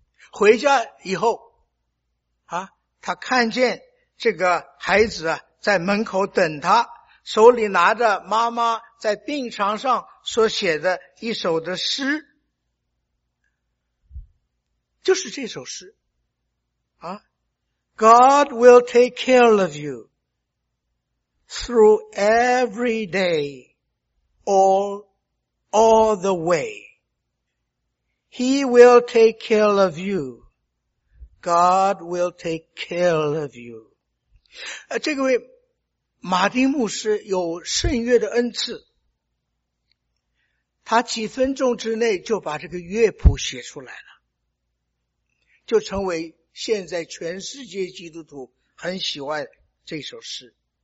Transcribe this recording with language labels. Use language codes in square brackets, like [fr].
[zh] 回家以后啊，他看见这个孩子啊在门口等他，手里拿着妈妈在病床上所写的一首的诗，就是这首诗啊， [en] God will take care of you through every day, all the way. He will take care of you. God will take care of you. [zh] 这个位马丁牧师有圣乐的恩赐，他几分钟之内就把这个乐谱写出来了，就成为现在全世界基督徒很喜欢这首诗。